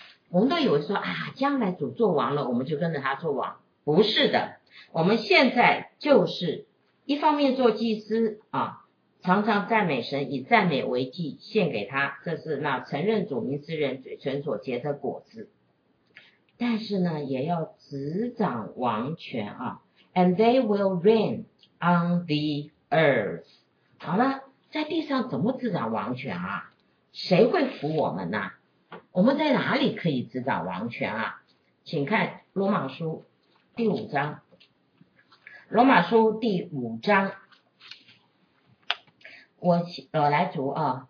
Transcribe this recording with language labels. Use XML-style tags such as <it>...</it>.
<zh>我们都以为说啊，将来主做王了我们就跟着他做王，不是的，我们现在就是一方面做祭司啊，常常赞美神，以赞美为祭献给他，这是那承认主名之人嘴唇所结的果子。但是呢，也要执掌王权啊。</zh> <en>And they will reign on the earth.</en> <zh>好了，在地上怎么执掌王权啊？谁会服我们呢？我们在哪里可以执掌王权啊？请看罗马书第五章。罗马书第五章，我来读啊。</zh>